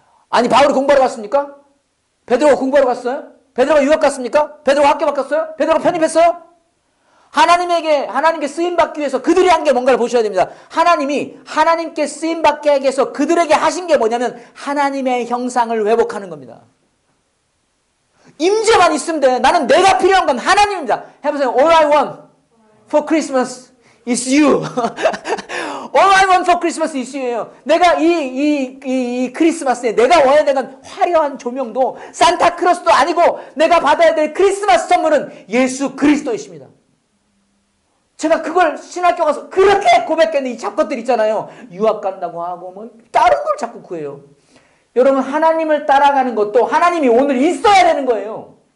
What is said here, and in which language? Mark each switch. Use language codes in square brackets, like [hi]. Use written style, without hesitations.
[ko] 아니 바울이 공부하러 갔습니까? 베드로가 공부하러 갔어요? 베드로가 유학 갔습니까? 베드로가 학교 바꿨어요? 베드로가 편입했어요? 하나님께 쓰임받기 위해서 그들이 한 게 뭔가를 보셔야 됩니다. 하나님께 쓰임받기 위해서 그들에게 하신 게 뭐냐면 하나님의 형상을 회복하는 겁니다. 임재만 있으면 돼. 나는 내가 필요한 건 하나님입니다. 해보세요. [en] All I want for Christmas is you. All I want for Christmas is you예요. [ko] 내가 이 크리스마스에 내가 원해야 되는 화려한 조명도 산타크로스도 아니고 내가 받아야 될 크리스마스 선물은 예수 그리스도이십니다. 제가 그걸 신학교 가서 그렇게 고백했는데 이 잡것들 있잖아요. 유학 간다고 하고 뭐 다른 걸 자꾸 구해요. 여러분 하나님을 따라가는 것도 하나님이 오늘 있어야 되는 거예요.